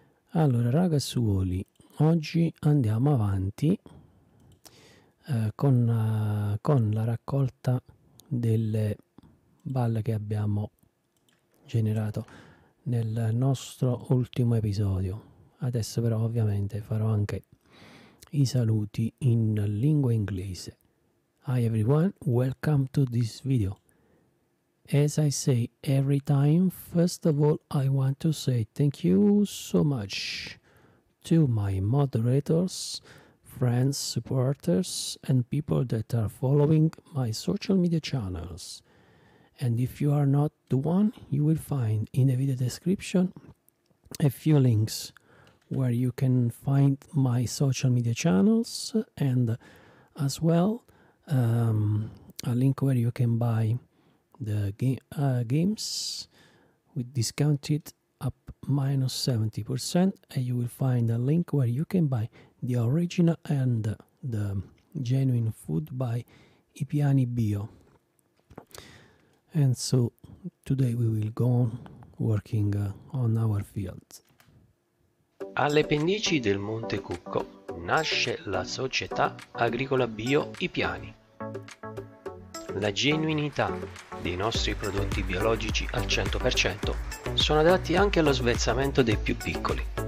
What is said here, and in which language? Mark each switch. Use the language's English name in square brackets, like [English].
[Italian] Allora, ragazzuoli, oggi andiamo avanti con la raccolta delle balle che abbiamo generato nel nostro ultimo episodio. Adesso però ovviamente farò anche i saluti in lingua inglese. [English] Hi everyone, welcome to this video. As I say every time, first of all I want to say thank you so much to my moderators, friends, supporters and people that are following my social media channels. And if you are not the one, you will find in the video description a few links where you can find my social media channels and as well a link where you can buy the games with discounted up -70%, and you will find a link where you can buy the original and the genuine food by I Piani Bio. And so today we will go on working on our field. [Italian] Alle pendici del Monte Cucco nasce la società agricola bio I Piani. La genuinità dei nostri prodotti biologici al 100% sono adatti anche allo svezzamento dei più piccoli.